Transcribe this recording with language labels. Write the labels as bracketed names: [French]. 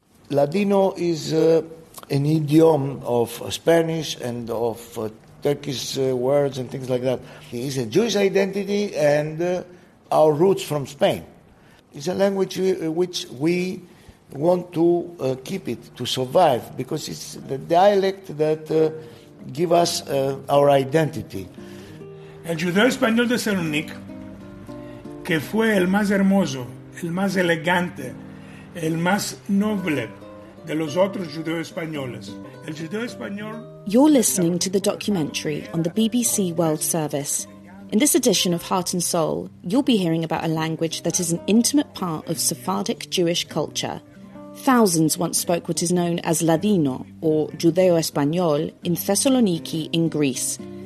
[English] Ladino is an idiom of Spanish and of Turkish words and things like that. It is a Jewish identity and our roots from Spain. It's a language which we want to keep it, to survive, because it's the dialect that give us our identity. [Ladino] El Judaeo-Español de Thessaloniki, que fue el más hermoso, el más elegante, el más noble de los otros Judaeo-Españoles. El Judaeo-Español... [English] You're listening to the documentary on the BBC World Service. In this edition of Heart and Soul, you'll be hearing about a language that is an intimate part of Sephardic Jewish culture. Thousands once spoke what is known as Ladino, or Judeo-Espanol, in Thessaloniki in Greece.